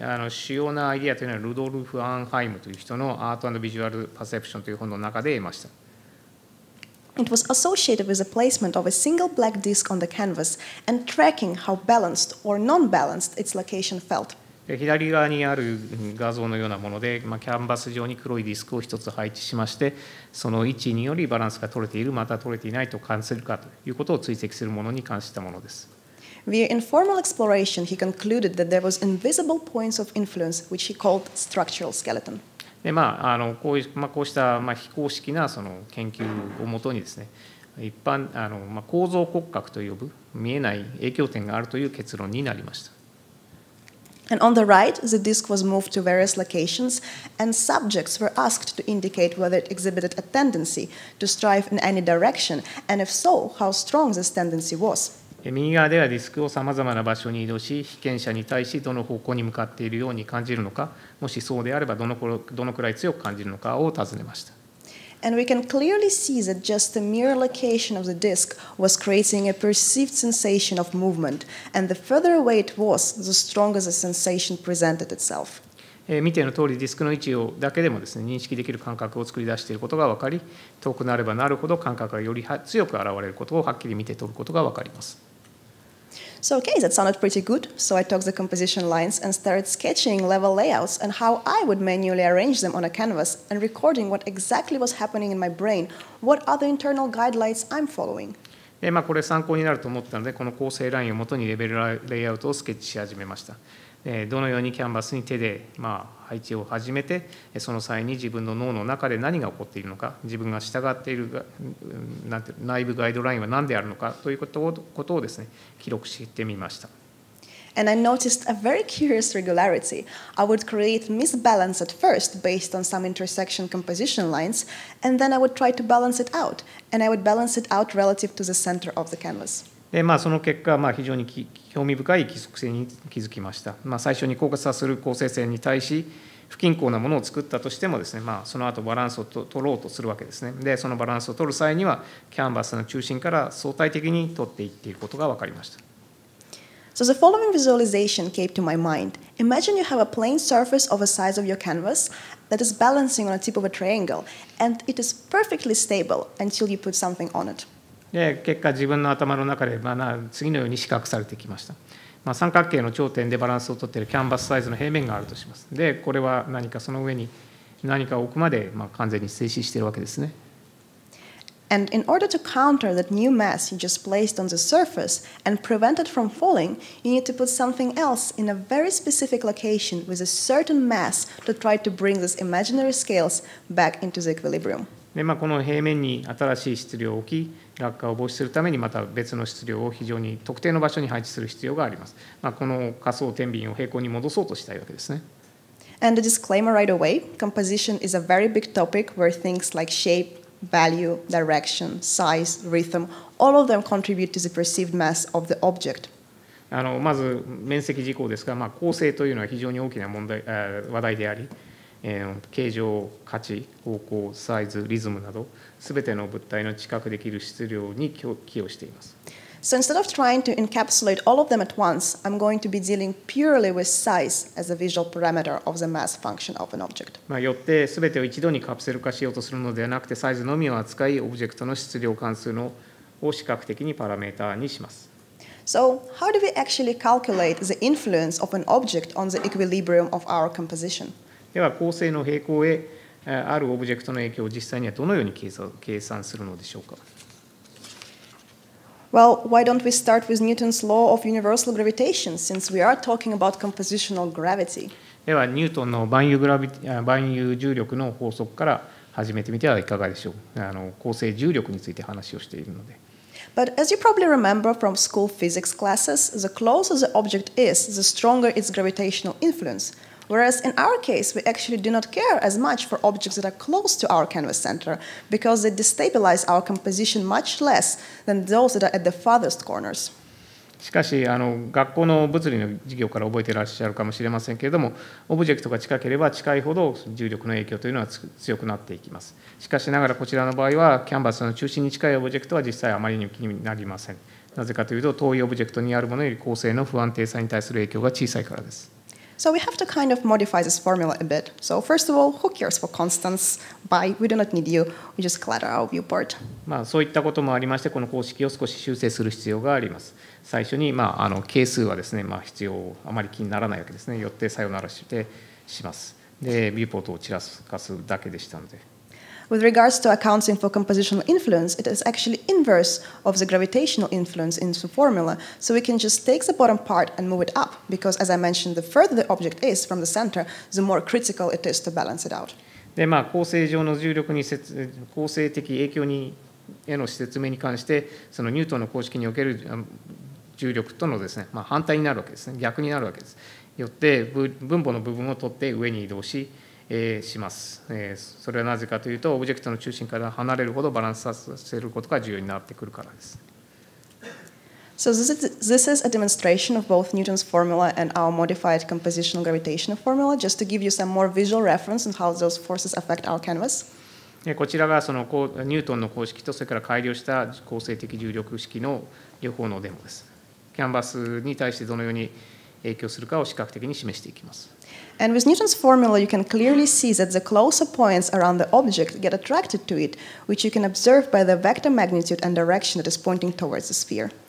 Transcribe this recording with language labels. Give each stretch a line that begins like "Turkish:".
Japanese: 主要なアイデアというのは、ルドルフ・アーンハイムという人の Art and Visual Perception という本の中で得ました。
English: It was associated with the placement of a single black disc on the canvas and tracking how balanced or non-balanced its location felt.
Japanese: 左側にある画像のようなもので、まあ、キャンバス上に黒いディスクを一つ配置しまして、その位置によりバランスが取れている、また取れていないと感じるかということを追跡するものに関したものです。
English: Via informal exploration, he concluded that there was invisible points of influence, which he called structural skeleton.
Japanese: でまあ、こうした、まあ、非公式なその研究をもとにですね、一般、まあ、構造骨格と呼ぶ見えない影響点があるという結論になりました。
English: And on the right, the disc was moved to various locations, and subjects were asked to indicate whether it exhibited a tendency to strive in any direction, and if so, how strong this tendency was.
Japanese: 右側ではディスクをさまざまな場所に移動し、被験者に対しどの方向に向かっているように感じるのか、もしそうであればどのくらい強く感じるのかを尋ねました。
English: And we can clearly see that just the mere location of the disc was creating a perceived sensation of movement, and the further away it was, the stronger the sensation presented itself.
Japanese: 見ての通り、ディスクの位置をだけでもですね、認識できる感覚を作り出していることが分かり、遠くなればなるほど感覚がより強く現れることをはっきり見て取ることが分かります。
English: So okay, that sounded pretty good. So I took the composition lines and started sketching level layouts and how I would manually arrange them on a canvas and recording what exactly was happening in my brain. What are the internal guidelines I'm following?
Japanese: まあ、これ参考になると思ったので、この構成ラインをもとにレベルレイアウトをスケッチし始めました。どのようにキャンバスに手で、まあ、配置を始めて、その際に自分の脳の中で何が起こっているのか、自分が従っている、なんて、内部ガイドラインは何であるのかということをですね、記録してみました。
English: And I noticed a very curious regularity. I would create misbalance at first based on some intersection composition lines, and then I would try to balance it out, and I would balance it out relative to the center of the canvas.
Japanese: でまあ、その結果、まあ、非常に興味深い規則性に気づきました。まあ、最初に交差する構成線に対し、不均衡なものを作ったとしてもですね、まあ、その後バランスを取ろうとするわけですね。で、そのバランスを取る際には、キャンバスの中心から相対的に取っていっていることが分かりました。
English: So the following visualization came to my mind. Imagine you have a plain surface of the size of your canvas that is balancing on the tip of a triangle, and it is perfectly stable until you put something on it.
Japanese: で結果自分の頭の中で、まあ、次のように視覚されてきました、まあ、三角形の頂点でバランスを取っているキャンバスサイズの平面があるとしますでこれは何かその上に何かを置くまで、まあ、完全に静止しているわけですね
English: And in order to counter that new mass you just placed on the surface and prevent it from falling, you need to put something else in a very specific location with a certain mass to try to bring these imaginary scales back into the equilibrium.
Japanese: で、まあ、この平面に新しい質量を置き、落下を防止するためにまた別の質量を非常に特定の場所に配置する必要があります。まあ、この仮想天秤を平行に戻そうとしたいわけですね。
English: And a disclaimer right away, composition is a very big topic where things like shape,Value, direction, size, rhythm, all of them contribute to the perceived mass of the object.
Japanese: まず面積事項ですが、まあ、構成というのは非常に大きな問題、話題であり、形状、価値、方向、サイズ、リズムなど、すべての物体の知覚できる質量に寄与しています。
English: So instead of trying to encapsulate all of them at once, I'm going to be dealing purely with size as a visual parameter of the mass function of an object.
Japanese: まあ、よって全てを一度にカプセル化しようとするのではなくて、サイズのみを扱い、オブジェクトの質量関数のを視覚的にパラメーターにします。
English: So how do we actually calculate the influence of an object on the equilibrium of our composition?
Japanese: では構成の平衡へあるオブジェクトの影響を実際にはどのように計算するのでしょうか。
English: Well, why don't we start with Newton's law of universal gravitation, since we are talking about compositional gravity?
Japanese: では、ニュートンの万有重力の法則から始めてみてはいかがでしょう。構成重力について話をしているので。
English: But as you probably remember from school physics classes, the closer the object is, the stronger its gravitational influence. Whereas in our case, we actually do not care as much for objects that are close to our canvas center because they destabilize our composition much less than those that are at the farthest corners.
Japanese: しかし、学校の物理の授業から覚えていらっしゃるかもしれませんけれども、オブジェクトが近ければ近いほど重力の影響というのは強くなっていきます。しかしながらこちらの場合は、キャンバスの中心に近いオブジェクトは実際あまりに気になりません。なぜかというと、遠いオブジェクトにあるものより構成の不安定さに対する影響が小さいからです。
English: So we have to kind of modify this formula a bit. So first of all, who cares for constants? Bye, we do not need you. We just clutter our viewport.
Japanese: まあそういったこともありまして、この公式を少し修正する必要があります。最初に、まあ、係数はですね、まあ、必要あまり気にならないわけですね。よってさよならしてします。で、ビューポートを散らすかすだけでしたので。
English: With regards to accounting for compositional influence, it is actually inverse of the gravitational influence in the formula. So we can just take the bottom part and move it up, because as I mentioned, the further the object is from the center, the more critical it is to balance it out.
Japanese: で、まあ、構成上の重力に構成的影響にへの説明に関して、そのニュートンの公式における重力とのですね、まあ、反対になるわけですね、逆になるわけです。よって分母の部分を取って上に移動し、します。それはなぜかというと、オブジェクトの中心から離れるほどバランスさせることが重要になってくるからです。
English: So this is a demonstration of both Newton's formula and our modified compositional gravitational formula, just to give you some more visual reference on how those forces affect our canvas.
Japanese: こちらがそのニュートンの公式とそれから改良した構成的重力式の両方のデモです。キャンバスに対してどのように影響するかを視覚的に示していきます。
English: And with Newton's formula, you can clearly see that the closer points around the object get attracted to it, which you can observe by the vector magnitude and direction that is pointing towards the sphere.